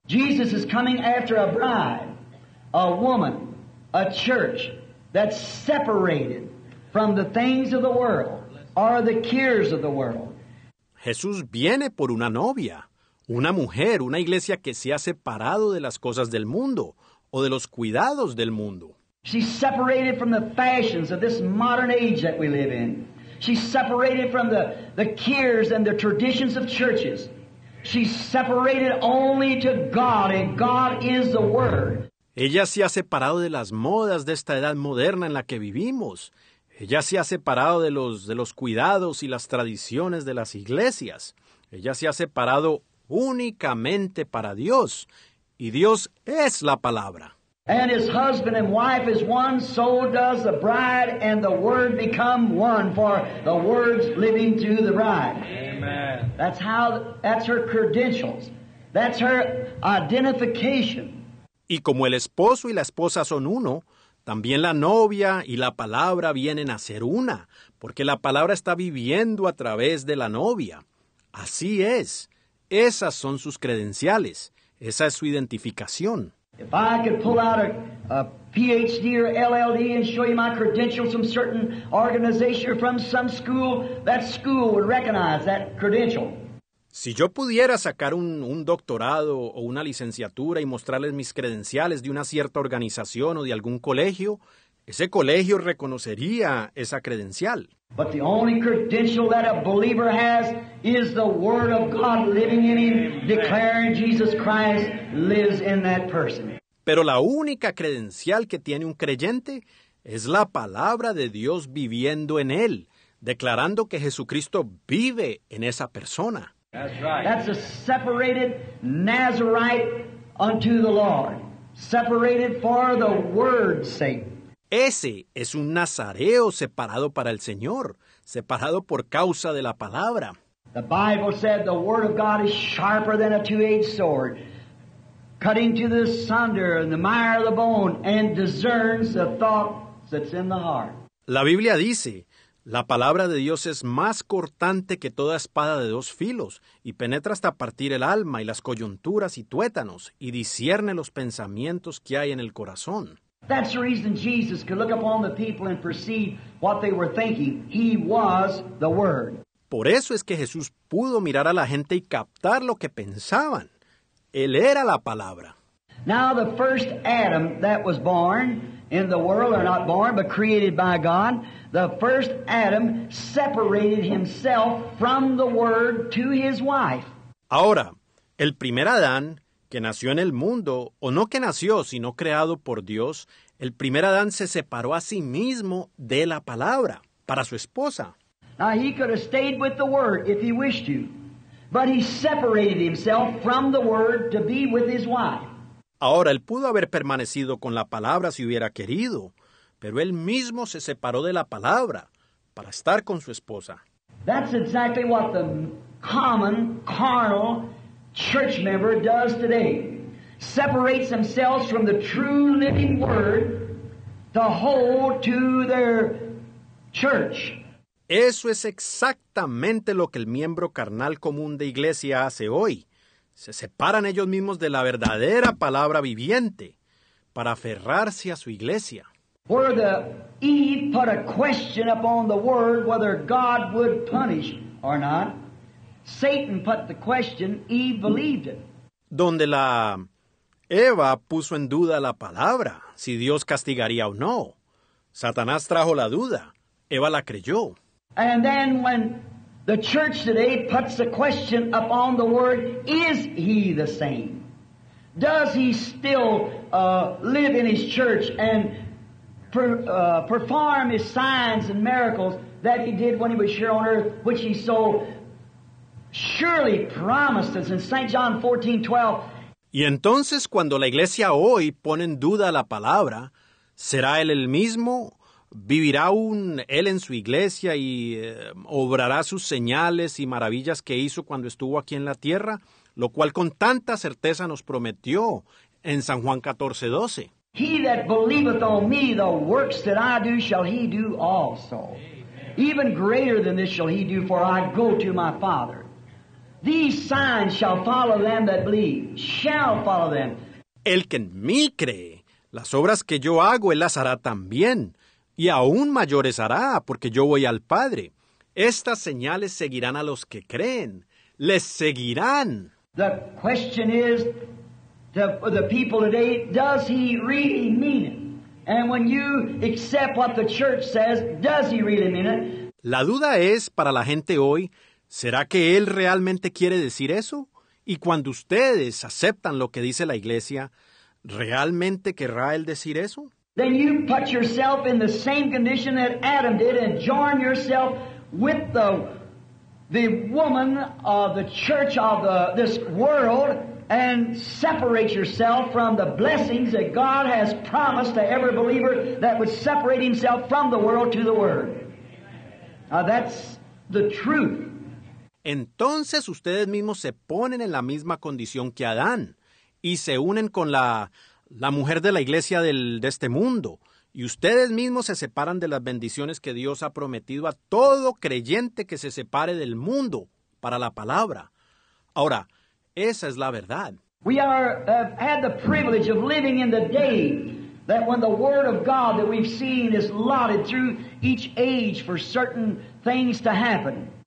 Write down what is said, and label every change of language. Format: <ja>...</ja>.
<en>Jesus is coming after a bride, a woman, a church that's separated from the things of the world or the cares of the world.</en> <es>Jesús viene por una novia, una mujer, una iglesia que se ha separado de las cosas del mundo o de los cuidados del mundo.</es> <en>She's separated from the fashions of this modern age that we live in. She's separated from the cares and the traditions of churches. She's separated only to God, and God is the Word.</en> <es>Ella se ha separado de las modas de esta edad moderna en la que vivimos. Ella se ha separado de los cuidados y las tradiciones de las iglesias. Ella se ha separado únicamente para Dios. Y Dios es la palabra.</es> <en>And his husband and wife is one, so does the bride and the word become one, for the word's living through the bride. Amen. That's her credentials. That's her identification.</en> <es>Y como el esposo y la esposa son uno, también la novia y la palabra vienen a ser una, porque la palabra está viviendo a través de la novia. Así es. Esas son sus credenciales. Esa es su identificación.</es> <en>If I could pull out a PhD or LLD and show you my credentials from certain organization or from some school, that school would recognize that credential.</en> <es>Si yo pudiera sacar un doctorado o una licenciatura y mostrarles mis credenciales de una cierta organización o de algún colegio, ese colegio reconocería esa credencial.</es> <en>But the only credential that a believer has is the Word of God living in him, declaring Jesus Christ lives in that person.</en> <es>Pero la única credencial que tiene un creyente es la palabra de Dios viviendo en él, declarando que Jesucristo vive en esa persona.</es> <en>That's right. That's a separated Nazarite unto the Lord, separated for the Word's sake.</en> <es>Ese es un nazareo separado para el Señor, separado por causa de la palabra.</es> <en>The Bible said the word of God is sharper than a two-edged sword, cutting to the sunder and the mire of the bone, and discerns the thoughts that's in the heart.</en> <es>La Biblia dice, la palabra de Dios es más cortante que toda espada de dos filos, y penetra hasta partir el alma y las coyunturas y tuétanos, y discierne los pensamientos que hay en el corazón.</es> <en>That's the reason Jesus could look upon the people and perceive what they were thinking. He was the Word.</en> <es>Por eso es que Jesús pudo mirar a la gente y captar lo que pensaban. Él era la palabra.</es> <en>Now the first Adam that was born in the world, or not born, but created by God, the first Adam separated himself from the Word to his wife.</en> <es>Ahora, el primer Adán, que nació en el mundo, o no que nació, sino creado por Dios, el primer Adán se separó a sí mismo de la palabra para su esposa.</es> <en>Now he could have stayed with the Word if he wished to, but he separated himself from the Word to be with his wife.</en> <es>Ahora, él pudo haber permanecido con la palabra si hubiera querido, pero él mismo se separó de la palabra para estar con su esposa.</es> <en>That's exactly what the common, carnal church member does today. Separates themselves from the true living Word to hold to their church.</en> <es>Eso es exactamente lo que el miembro carnal común de iglesia hace hoy. Se separan ellos mismos de la verdadera palabra viviente para aferrarse a su iglesia.</es> <en>Where the Eve put a question upon the Word whether God would punish or not. Satan put the question, Eve believed it.</en> <es>Donde la Eva puso en duda la palabra, si Dios castigaría o no. Satanás trajo la duda, Eva la creyó.</es> <en>And then when the church today puts the question upon the Word, is he the same? Does he still live in his church and perform his signs and miracles that he did when he was here on earth, which he so surely promised us in St. John 14:12.</en> <es>Y entonces, cuando la iglesia hoy pone en duda la palabra, ¿será él el mismo? ¿Vivirá aún él en su iglesia y obrará sus señales y maravillas que hizo cuando estuvo aquí en la tierra? Lo cual con tanta certeza nos prometió en San Juan 14:12.</es> <en>He that believeth on me, the works that I do shall he do also. Even greater than this shall he do, for I go to my Father. These signs shall follow them that believe, shall follow them.</en> <es>El que en mí cree, las obras que yo hago, él las hará también, y aún mayores hará, porque yo voy al Padre. Estas señales seguirán a los que creen, les seguirán.</es> <en>The question is, the people today, does he really mean it? And when you accept what the church says, does he really mean it?</en> <es>La duda es para la gente hoy, ¿será que él realmente quiere decir eso? Y cuando ustedes aceptan lo que dice la iglesia, ¿realmente querrá él decir eso?</es> <en>Then you put yourself in the same condition that Adam did and join yourself with the woman of the church of this world and separate yourself from the blessings that God has promised to every believer that would separate himself from the world to the Word. That's the truth.</en> <es>Entonces ustedes mismos se ponen en la misma condición que Adán y se unen con la mujer de la iglesia de este mundo. Y ustedes mismos se separan de las bendiciones que Dios ha prometido a todo creyente que se separe del mundo para la palabra. Ahora, esa es la verdad.</es> <en>We are had the privilege of living in the day that when the word of God that we've seen is lauded through each age for certain things to happen.</en>